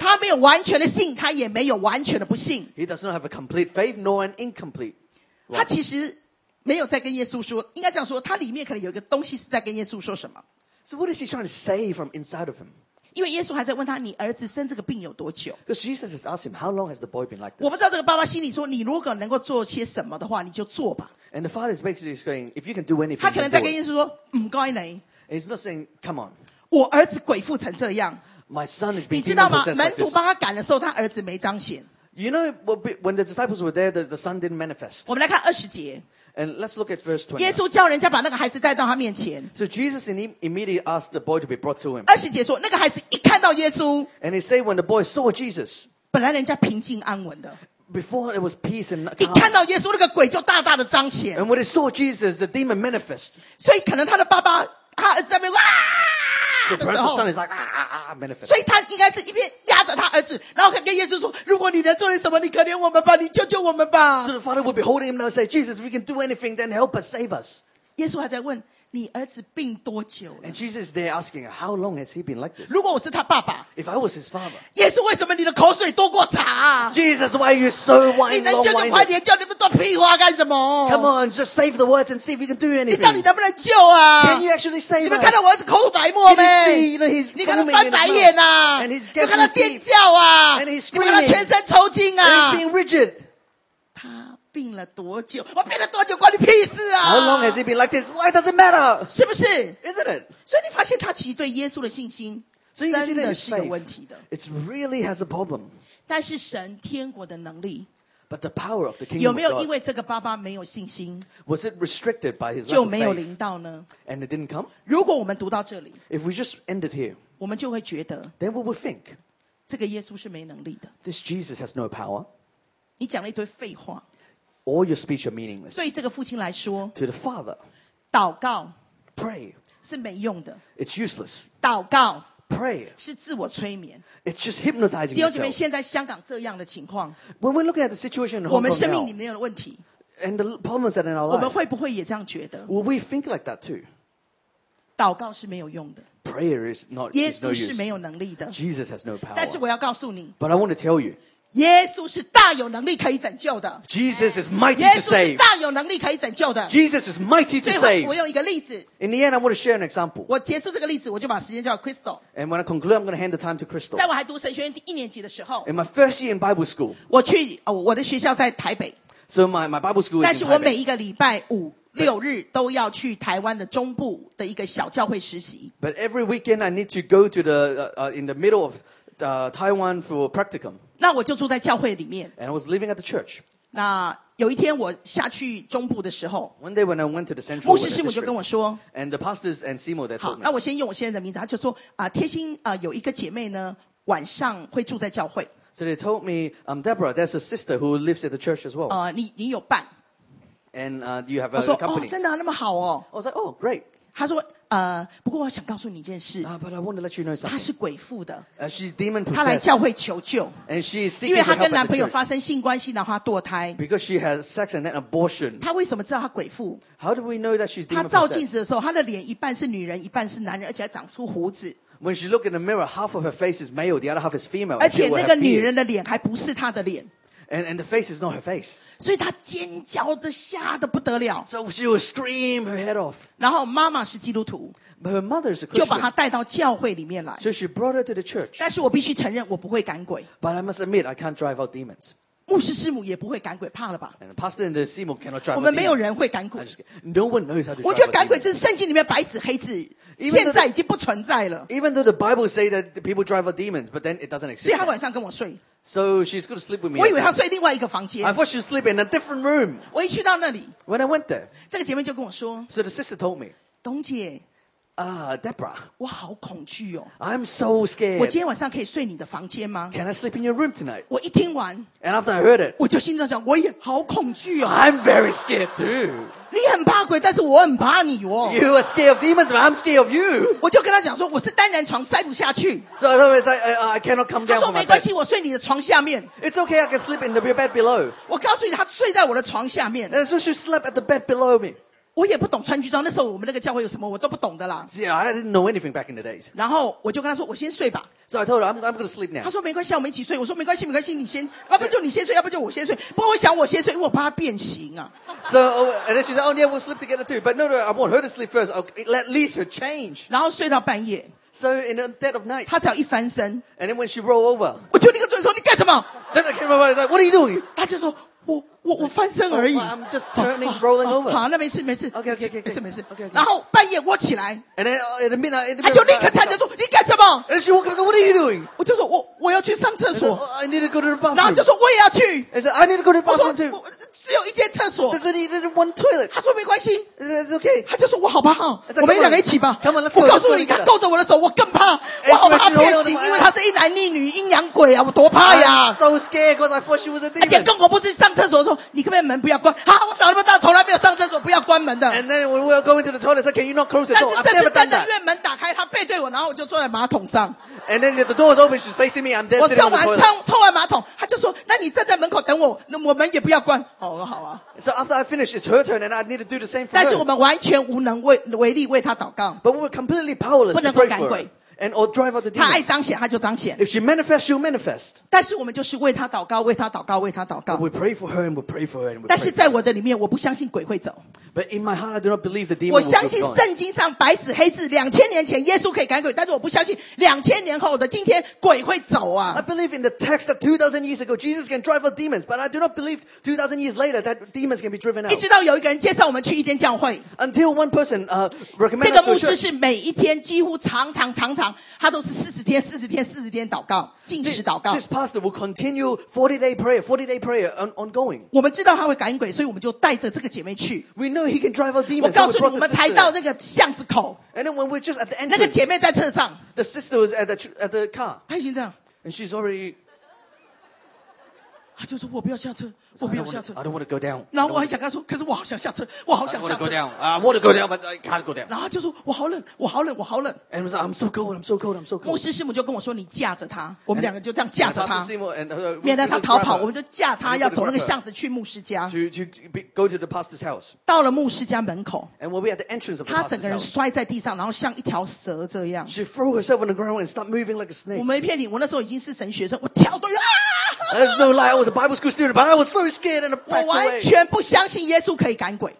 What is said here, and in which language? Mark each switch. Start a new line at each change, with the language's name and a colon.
Chinese: 他没有完全的信，他也没有完全的不信。
English: He does not have a complete faith nor an incomplete one.
Chinese: 他其实没有在跟耶稣说，应该这样说，他里面可能有一个东西是在跟耶稣说什么。
English: So what is he trying to say from inside of him?
Chinese: 因为耶稣还在问他，你儿子生这个病有多久
English: ？Because Jesus has asked him, how long has the boy been like this?
Chinese: 我不知道这个爸爸心里说，你如果能够做些什么的话，你就做吧。
English: And the father is basically saying, if you can do anything,
Chinese: 他可能在跟耶稣说，唔该你。
English: He's not saying, come on.
Chinese: 我儿子鬼附成这样。
English: My son is being
Chinese: 你知道吗？门徒帮他赶的时候，他儿子没彰显。
English: You know, when the disciples were there, the son didn't manifest.
Chinese: 我们来看二十节。
English: And let's look at verse 20.
Chinese: 耶稣叫人家把那个孩子带到他面前。
English: So Jesus immediately asked the boy to be brought to him.
Chinese: 二十节说，那个孩子一看到耶稣。
English: And he said when the boy saw Jesus.
Chinese: 本来人家平静安稳的。
English: Before it was peace and calm.
Chinese: 一看到耶稣，那个鬼就大大的彰显。
English: And when he saw Jesus, the demon manifest.
Chinese: 所以可能他的爸爸，他儿子在那边哇。
English: So perhaps the son is like manifest.
Chinese: 所以他应该是一边压着他儿子，然后跟耶稣说：“如果你能做点什么，你可怜我们吧，你救救我们吧。”
English: So the father would be holding him now, say, "Jesus, if we can do anything, then help us, save us."
Chinese: 耶稣还在问你儿子病多久了
English: ？And Jesus there asking, "How long has he been like this?"
Chinese: 如果我是他爸爸
English: ，If I was his father,
Chinese: 耶稣为什么你的口水多过茶
English: ？Jesus, why are you so wine?
Chinese: 你能救就快点救，你们多屁话干什么
English: ？Come on, just save the words and see if you can do anything.
Chinese: 你到底能不能救啊
English: ？Can you actually save?
Chinese: 你们看到我儿子口吐白沫没？你看他翻白眼啊
English: ！And he's getting deep.
Chinese: 你看他尖叫啊
English: ！And he's screaming.
Chinese: 你看他全身抽筋啊
English: ！And he's being rigid.
Chinese: 病了多久？我病了多久？关你屁事啊
English: ！How long has he been like this? Why does it matter?
Chinese: 是不是
English: ？Isn't it?
Chinese: 所以你发现他其实对耶稣的信心真的是有问题的。
English: It really has a problem.
Chinese: 但是神天国的能力
English: ，But the power of the kingdom
Chinese: 有没有因为这个爸爸没有信心
English: ？Was it restricted by his
Chinese: 就没有临到呢
English: ？And it didn't come.
Chinese: 如果我们读到这里
English: ，If we just ended here，
Chinese: 我们就会觉得
English: ，Then we would think
Chinese: 这个耶稣是没能力的。
English: This Jesus has no power.
Chinese: 你讲了一堆废话。
English: All your speech are meaningless.
Chinese: 对这个父亲来说
English: ，to the father,
Chinese: 祷告
English: ，pray
Chinese: 是没用的
English: ，it's useless.
Chinese: 祷告
English: ，pray
Chinese: 是自我催眠
English: ，it's just hypnotizing.
Chinese: 弟兄姊妹，现在香港这样的情况
English: ，when we're looking at the situation in Hong
Chinese: Kong, 我们生命里面有问题
English: ，and the problems that are in our life,
Chinese: 我们会不会也这样觉得
English: ？Will we think like that too?
Chinese: 祷告是没有用的
English: ，prayer is not.
Chinese: 耶稣是没有能力的
English: ，Jesus has no power.
Chinese: 但是我要告诉你
English: ，but I want to tell you.
Chinese: 耶稣是大有能力可以拯救的。
English: Jesus is mighty to save.
Chinese: 耶稣是大有能力可以拯救的。
English: Jesus is mighty to save.
Chinese: 最后我用一个例子。
English: In the end, I want to share an example.
Chinese: 我结束这个例子，我就把时间交给 Crystal.
English: And when I conclude, I'm going to hand the time to Crystal.
Chinese: 在我还读神学院第一年级的时候。
English: In my first year in Bible school.
Chinese: 我去，我的学校在台北。
English: So my Bible school is in
Chinese: 台北。但是我每一个礼拜五六日都要去台湾的中部的一个小教会实习。
English: But every weekend I need to go to the in the middle of Taiwan for practicum.
Chinese: 那我就住在教会里面。
English: And I was living at the church.
Chinese: 那有一天我下去中部的时候
English: ，One day when I went to the central,
Chinese: 牧师师母就跟我说
English: ，And the pastors and Simo they told me.
Chinese: 好，那我先用我现在的名字，他就说啊，贴心啊，有一个姐妹呢晚上会住在教会。
English: So they told me, Deborah, there's a sister who lives at the church as well.
Chinese: 你有伴。
English: And you have a company.
Chinese: 我说哦，真的、啊、那么好哦。
English: I was like, oh, great.
Chinese: 他说不过我想告诉你一件事。
English: But I want to let you know something.
Chinese: 她是鬼附的。
English: She's demon possessed.
Chinese: 她来教会求救。
English: And she is seeking
Chinese: 因为她跟男朋友发生性关系，然后她堕胎。
English: Because she has sex and then abortion.
Chinese: 她为什么知道她鬼附
English: ？How do we know that she's demon possessed?
Chinese: 她照镜子的时候，她的脸一半是女人，一半是男人，而且还长出胡子。
English: When she looked in the mirror, half of her face is male, the other half is female.
Chinese: 而且那个女人的脸还不是她的脸。
English: And the face is not her face.
Chinese: 所以她尖叫的吓得不得了。
English: So she will scream her head off.
Chinese: 然后妈妈是基督徒。
English: But her mother is a Christian.
Chinese: 就把她带到教会里面来。
English: So she brought her to the church.
Chinese: 但是我必须承认我不会赶鬼。
English: But I must admit, I can't drive out demons.
Chinese: 牧师师母也不会赶鬼，怕了吧
English: ？And the pastor and the Simo cannot drive.
Chinese: 我们没有人会赶鬼。
English: No one knows how to drive.
Chinese: 我觉得赶鬼就是圣经里面白纸黑字。现在已经不存在了。
English: Even though the Bible says that people drive out demons, but then it doesn't exist.
Chinese: 所以她晚上跟我睡。
English: So she's going to sleep with me.
Chinese: 我以为她睡另外一个房间。
English: I thought she'd sleep in a different room.
Chinese: 我一去到那里。
English: When I went there.
Chinese: 这个姐妹就跟我说。
English: So the sister told me.
Chinese: 董姐。
English: Deborah.
Chinese: 我好恐惧哦。
English: I'm so scared.
Chinese: 我今天晚上可以睡你的房间吗
English: ？Can I sleep in your room tonight?
Chinese: 我一听完。
English: And after I heard it.
Chinese: 我就心中想，我也好恐惧哦。
English: I'm very scared too.
Chinese: 你很怕鬼，但是我很怕你哦。
English: You are scared of demons, but I'm scared of you.
Chinese: 我就跟他讲说，我是单人床塞不下去。
English: So I always say, I cannot come down.
Chinese: 他说没关系，我睡你的床下面。
English: It's okay, I can sleep in the bed below.
Chinese: 我告诉你，他睡在我的床下面。
English: And so she slept at the bed below me.
Chinese: 我也不懂穿军装，那时候我们那个教会有什么，我都不懂的啦。
English: Yeah, I didn't know anything back in the days.
Chinese: 然后我就跟他说，我先睡吧。
English: So I told her, I'm going to sleep now.
Chinese: 他说没关系，我们一起睡。我说没关系，没关系，你先，要不就你先睡，要不就我先睡。不过我想我先睡，因为我怕他变形啊。
English: So, and then she said, oh yeah, we'll sleep together too. But no, I want her to sleep first. I'll at least her change.
Chinese: 然后睡到半夜。
English: So in the dead of night.
Chinese: 他只要一翻身。
English: And then when she roll over.
Chinese: 我就立刻转说你干什么
English: ？Then I came over and said, what are you doing?
Chinese: 他就说我翻身而已。
English: Oh, I'm just turning, rolling over.
Chinese: 好，那没事没事。
English: Okay.
Chinese: 没事没事。
English: Okay.
Chinese: 然后半夜我起来。
English: And then in the midnight.
Chinese: 他就立刻站着说你干什么
English: ？And then she woke up and said, what are you doing?
Chinese: 我就说我要去上厕所。
English: I need to go to the bathroom.
Chinese: 然后就说我也要去。
English: And said, I need to go to the bathroom too.
Chinese: 只有一间厕所。
English: There's only one toilet.
Chinese: 他说没关系。
English: It's okay.
Chinese: 他就说我好怕哈。我们两个一起吧。
English: Come on, let's go.
Chinese: 我告诉你，他勾着我的手，我更怕。我好怕变形，因为他是一男一女阴阳鬼啊，我多怕呀。
English: So scared because I thought she was a demon.
Chinese: 而且更恐怖是上厕所说，你可不可以门不要关？哈，我长那么大，从来没有上厕所不要关门的。
English: And then we were going to the toilet. So can you not close the door?
Chinese: 但是这是真的，因为门打开，他背对我，然后我就坐在马桶上。
English: And then the door was open. She's facing me. I'm there.
Chinese: 我冲完马桶，他就说，那你站在门口等我，那我门也不要关。好啊。
English: So after I finish, it's her turn, and I need to do the same for her.
Chinese: 但是我们完全无能为力为她祷告。
English: But we were completely powerless to pray for her. And or drive out the demon.
Chinese: 她爱彰显，她就彰显。
English: If she manifests, she'll manifest.
Chinese: 但是我们就是为她祷告，为她祷告，为她祷告。
English: But we pray for her, and we pray for her, and we pray.
Chinese: 但是在我的里面，我不相信鬼会走。
English: But in my heart, I do not believe the demon.
Chinese: 我相信圣经上白纸黑字，两千年前耶稣可以赶鬼，但是我不相信两千年后的今天鬼会走啊。
English: I believe in the text that 2,000 years ago Jesus can drive out demons, but I do not believe 2,000 years later that demons can be driven out.
Chinese: 一直到有一个人介绍我们去一间教会。
English: Until one person recommended.
Chinese: 这个牧师是每一天几乎常常他都是40天祷告，禁食祷告。
English: This pastor will continue 40-day prayer ongoing.
Chinese: 我们知道他会赶鬼，所以我们就带着这个姐妹去。
English: He can drive out demons.
Chinese: 我告诉你，我们才到那个巷子口。
English: And then when we're just at the entrance,
Chinese: 那个姐妹在车上。
English: The sister was at the car.
Chinese: 她已经这样。
English: And she's already.
Chinese: 她就说：“我不要下车，我不要下车。
English: ”I don't want to go down.
Chinese: 然后我还想跟她说：“可是我好想下车，我好想下车。
English: ”I want to go down. I want to go down, but I can't go down.
Chinese: 然后就说：“我好冷，我好冷，我好冷。
English: ”And I'm so cold. I'm so cold. I'm so cold.
Chinese: 牧师师母就跟我说：“你架着她，我们两个就这样架着她，
English: and
Chinese: 免得她逃跑。”我们就架她要走那个巷子去牧师家。
English: To go to the pastor's house.
Chinese: 到了牧师家门口。
English: And we'll be at the entrance of the pastor's house.
Chinese: 她整个人摔在地上，然后像一条蛇这样。
English: She threw herself on the ground and started moving like a snake.
Chinese: 我没骗你，我那时候已经是神学生，我跳都要啊！
English: There's no lie, I was a Bible school student, but I was so scared and backed away.
Chinese: 我完全不相信耶稣可以赶鬼。